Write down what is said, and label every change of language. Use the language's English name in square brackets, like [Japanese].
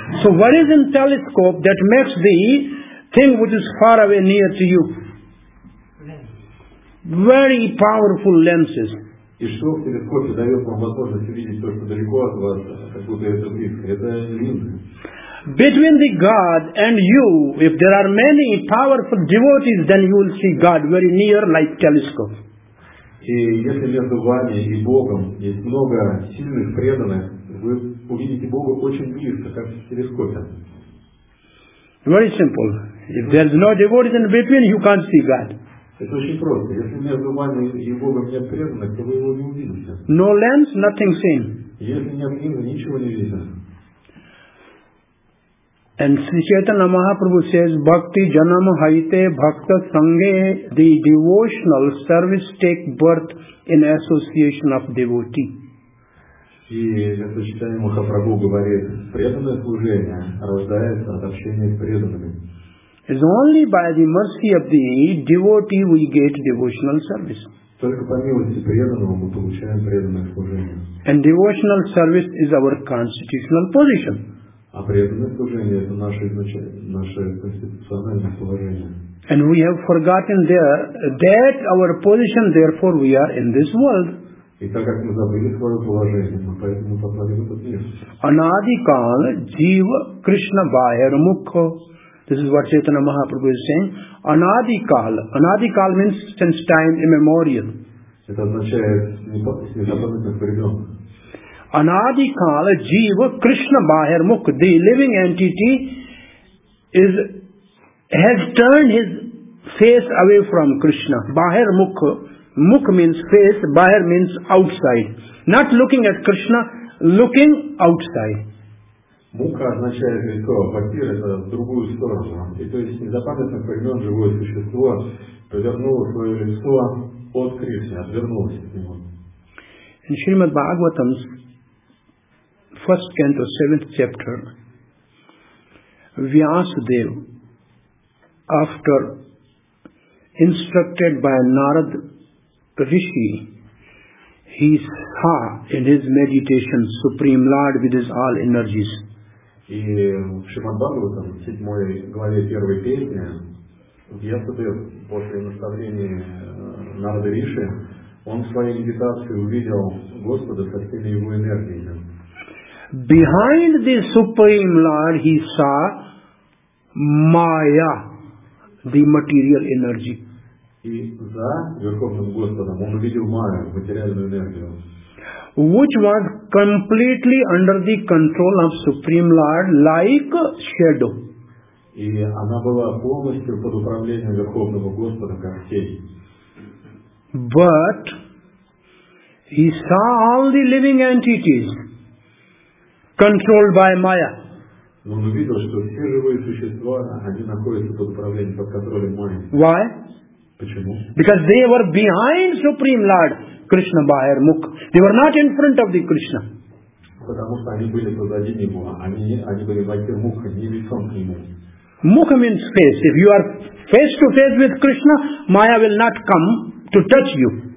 [English] So what is in telescope that makes the thing which is far away near to you? Very powerful lenses. [Russian] И что в телескопе дает вам возможность видеть то, что далеко от вас, как будто это близко? Это линзы. [English] Between the God and you, if there are many powerful devotees, then you will see God very near, like telescope. [Russian] И если между вами и Богом есть много сильных преданных, вы увидите Бога очень близко, как в телескопе. [English] Very simple. If there is no devotees in between, you can't see God. [Russian] Это очень просто. Если между вами и Богом нет преданных, то вы его не увидите. [English] No lens, nothing seen. [Russian] Если нет линзы, ничего не видно. [English] And Sri Chaitanya Mahaprabhu says, [Bangla] Bhakti Janam Haite Bhakta Sanghe, [English] the devotional service take birth in association of devotee. [Russian] И Sri Chaitanya Mahaprabhu говорит, преданное служение рождается от общения с преданными. [English] It's only by the mercy of the devotee we get devotional service. [Russian] Только по милости преданного мы получаем преданное служение. [English] And devotional service is our constitutional position. [Russian] А преданное служение это наше конституциональное положение. [English] And we have forgotten there that our position, therefore we are in this world. [Russian] И так как мы забыли свое положение, мы поэтому попали в этот мир. [Bangla] Anadikal jiva Krishna bahir mukho. [English] This is what Chaitanya Mahaprabhu is saying. Anadikal. Anadikal means since time immemorial. [Russian] Это означает незапамятных времен. [Bangla] Anadikal jiva Krishna bahir mukh, [English] the living entity has turned his face away from Krishna. Bahir mukh, mukh means face, bahir means outside. Not looking at Krishna, looking outside. [Russian] Мукха означает лицо, а бахир это в другую сторону. И то есть незапамятных времен живое существо повернуло свое лицо от Кришны, отвернулось от него. [English] In Shrimad Bhagavatam, first canto, seventh chapter, Vyasadev, after instructed by Narad Rishi, he saw in his meditation Supreme Lord with his all energies. [Russian] И в Шримад-Бхагаватам, в 7 главе 1 песни, Вьясадев, после наставления Нарада Риши, он в своей медитации увидел Господа со всеми его энергиями. [English] Behind the Supreme Lord he saw Maya, the material energy. [Russian] И за Верховным Господом он увидел Майю, материальную энергию. [English] Which was completely under the control of Supreme Lord, like shadow. [Russian] И она была полностью под управлением Верховного Господа, как тень. [English] But he saw all the living entities controlled by Maya. [Russian] Он увидел, что все живые существа, они находятся под управлением, под контролем Майи. [English] Why? [Russian] Почему? [English] Because they were behind Supreme Lord. [Bangla] Krishna Bahir Mukh. [English] They were not in front of the Krishna. Mukh means face. If you are face to face with Krishna, Maya will not come to touch you.